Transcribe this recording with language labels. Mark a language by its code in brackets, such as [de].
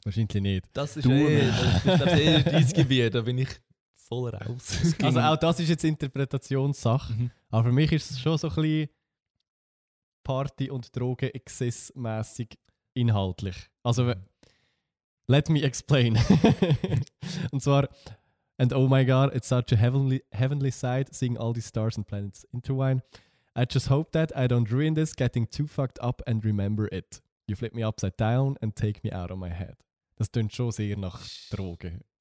[de] Wahrscheinlich nicht. Das ist eher dein Gebiet, da bin ich voll raus. Also auch das ist jetzt Interpretationssache. Aber für mich ist es schon so ein bisschen Party- und Drogen-Exzess-mässig inhaltlich. [en] Also, let me explain. [de] Und zwar, [en] and oh my god, it's such a heavenly sight, seeing all these stars and planets intertwine. I just hope that I don't ruin this, getting too fucked up and remember it. You flip me upside down and take me out of my head. [de] Das tönt schon sehr nach Drogen.